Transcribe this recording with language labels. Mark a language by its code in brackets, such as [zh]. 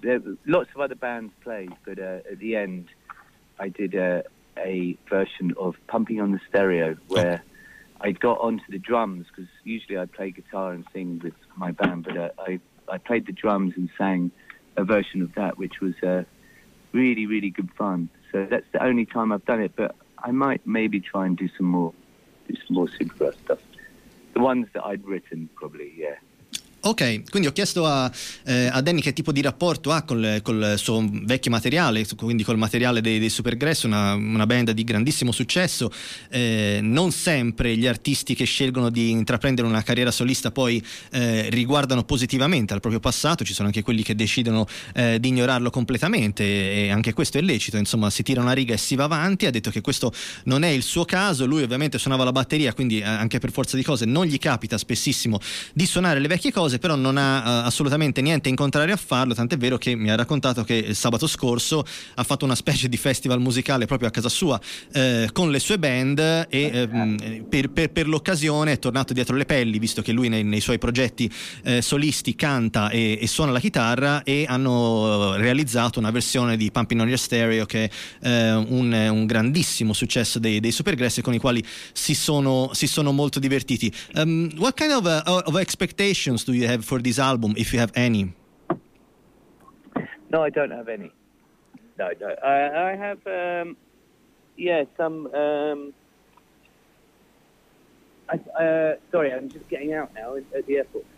[en] There were lots of other bands played, but at the end, I did a version of Pumping on the Stereo, where I got onto the drums, because usually I play guitar and sing with my band, but I played the drums and sang a version of that, which was really, really good fun. So that's the only time I've done it, but I might maybe try and do some more Supergrass stuff. The ones that I'd written, probably, yeah. [it] Ok, quindi ho chiesto a Danny che tipo di rapporto ha col suo vecchio materiale, quindi col materiale dei Supergrass, una band di grandissimo successo. Non sempre gli artisti che scelgono di intraprendere una carriera solista poi riguardano positivamente al proprio passato, ci sono anche quelli che decidono di ignorarlo completamente, e anche questo è lecito, insomma si tira una riga e si va avanti. Ha detto che questo non è il suo caso, lui ovviamente suonava la batteria, quindi anche per forza di cose non gli capita spessissimo di suonare le vecchie cose, però non ha assolutamente niente in contrario a farlo, tant'è vero che mi ha raccontato che sabato scorso ha fatto una specie di festival musicale proprio a casa sua con le sue band, e per l'occasione è tornato dietro le pelli, visto che lui nei suoi progetti solisti canta e suona la chitarra, e hanno realizzato una versione di Pumping on Your Stereo che è un grandissimo successo dei Supergrass, con i quali si sono molto divertiti. [en] What kind of expectations do you have for this album, if you have any? No, I don't have any. No. I have, I'm just getting out now at the airport.